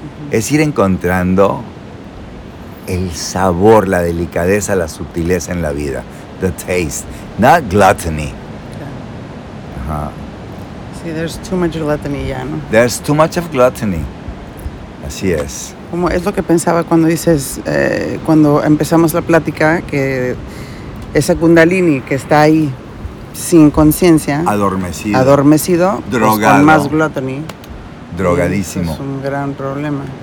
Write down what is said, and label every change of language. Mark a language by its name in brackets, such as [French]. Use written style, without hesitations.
[Spanish] Es ir encontrando el sabor, la delicadeza, la sutileza en la vida. [English] The taste, not gluttony. Yeah. Uh-huh. See, there's too much gluttony, [Spanish] ya, ¿no? [English] There's too much of gluttony. [Spanish] Así es. Como es lo que pensaba cuando dices, cuando empezamos la plática, que esa kundalini que está ahí sin conciencia. Adormecido. Drogado. Con más gluttony. Drogadísimo. Es un gran problema.